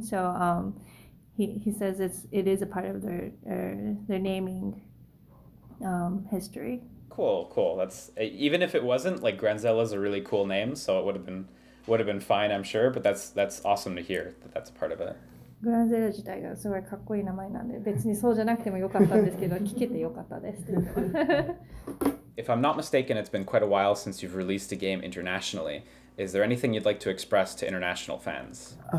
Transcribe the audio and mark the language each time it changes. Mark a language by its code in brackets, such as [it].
[en] So he says it is a part of their naming history. Cool. That's even if it wasn't, like, Granzella is a really cool name, so it would have been fine, I'm sure. But that's awesome to hear that that's a part of it. [ja] Granzella 自体がすごいかっこいい名前なんで、別にそうじゃなくてもよかったんですけど、聞けてよかったです。 [en] If I'm not mistaken, it's been quite a while since you've released a game internationally. Is there anything you'd like to express to international fans?